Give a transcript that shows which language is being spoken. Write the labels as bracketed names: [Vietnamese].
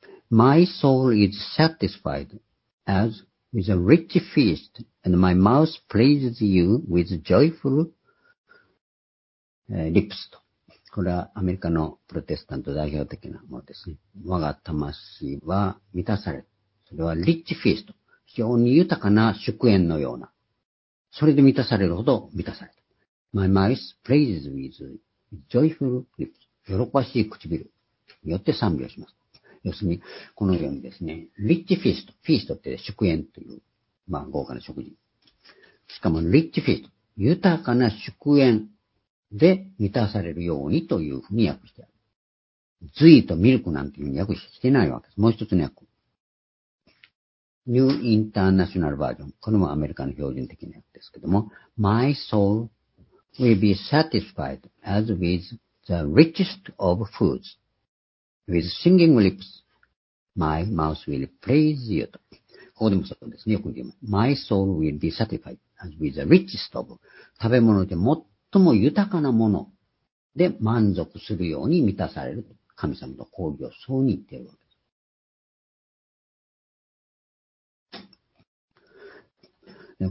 [English] My soul is satisfied as with a rich feast, and my mouth praises you with joyful lips. [Japanese] これはアメリカのプロテスタント代表的なものですね。我が魂は満たされ、それはリッチフィースト。非常に豊かな祝宴のような。それで満たされるほど満たされた。 [English] My mouth praises with joyful lips. [Japanese] 喜ばしい唇によって賛美をします。要するに、このようにですね、リッチフィースト。フィーストって祝宴という、まあ豪華な食事。しかもリッチフィースト。豊かな祝宴で満たされるようにというふうに訳してある。ズイとミルクなんていうふうに訳してないわけです。もう一つの訳。ニューインターナショナルバージョン。これもアメリカの標準的な訳ですけども。 [English] My soul will be satisfied as with the richest of foods. With singing lips, my mouth will praise you. [Japanese] ここでもそうですね。よく言います。 [English] My soul will be satisfied as with the richest of [Japanese] 食べ物で最も豊かなもので満足するように満たされる。神様と交流をそうに言っているわけです。